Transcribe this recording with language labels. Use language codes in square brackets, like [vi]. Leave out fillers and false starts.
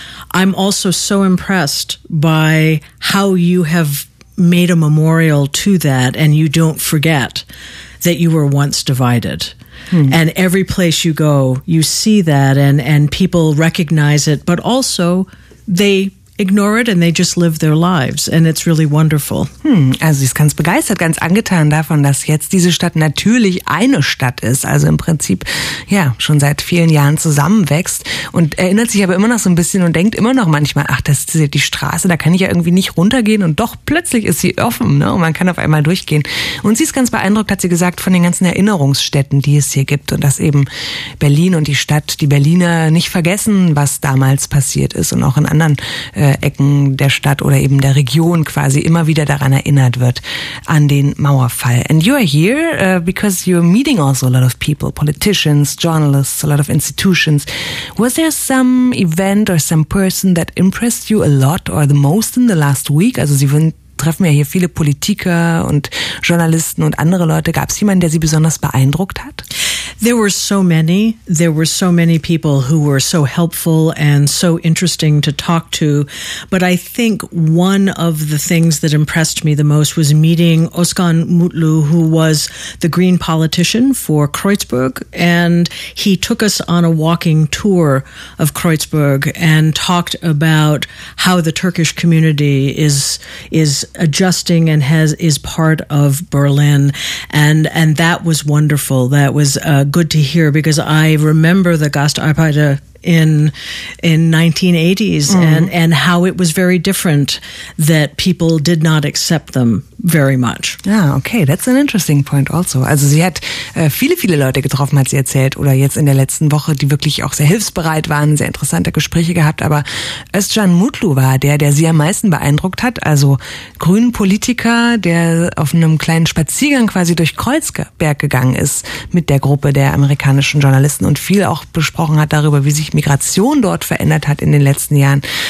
[en] I'm also so impressed by how you have made a memorial to that, and you don't forget that you were once divided. And every place you go, you see that, and people recognize it, but also they ignore it and they just live their lives, and it's really wonderful. [de] Also sie ist ganz begeistert, ganz angetan davon, dass jetzt diese Stadt natürlich eine Stadt ist, also im Prinzip ja schon seit vielen Jahren zusammenwächst, und erinnert sich aber immer noch so ein bisschen und denkt immer noch manchmal, ach, das ist die Straße, da kann ich ja irgendwie nicht runtergehen, und doch plötzlich ist sie offen, ne, und man kann auf einmal durchgehen. Und sie ist ganz beeindruckt, hat sie gesagt, von den ganzen Erinnerungsstätten, die es hier gibt, und dass eben Berlin und die Stadt, die Berliner nicht vergessen, was damals passiert ist, und auch in anderen Ecken der Stadt oder eben der Region quasi immer wieder daran erinnert wird, an den Mauerfall. [en] And you are here because you're meeting also a lot of people, politicians, journalists, a lot of institutions. Was there some event or some person that impressed you a lot or the most in the last week? [de] Also Sie treffen ja hier viele Politiker und Journalisten und andere Leute. Gab es jemanden, der Sie besonders beeindruckt hat? [en] There were so many. There were so many people who were so helpful and so interesting to talk to. But I think one of the things that impressed me the most was meeting Özkan Mutlu, who was the green politician for Kreuzberg. And he took us on a walking tour of Kreuzberg and talked about how the Turkish community is adjusting and is part of Berlin. And that was wonderful. That was good to hear, because I remember the Gastarbeiter in 1980s and how it was very different, that people did not accept them very much. Ah, okay, that's an interesting point also. [de] Also sie hat viele, viele Leute getroffen, hat sie erzählt, oder jetzt in der letzten Woche, die wirklich auch sehr hilfsbereit waren, sehr interessante Gespräche gehabt, aber Özcan Mutlu war der sie am meisten beeindruckt hat, also grünen Politiker, der auf einem kleinen Spaziergang quasi durch Kreuzberg gegangen ist mit der Gruppe der amerikanischen Journalisten und viel auch besprochen hat darüber, wie sich Migration dort verändert hat in den letzten Jahren.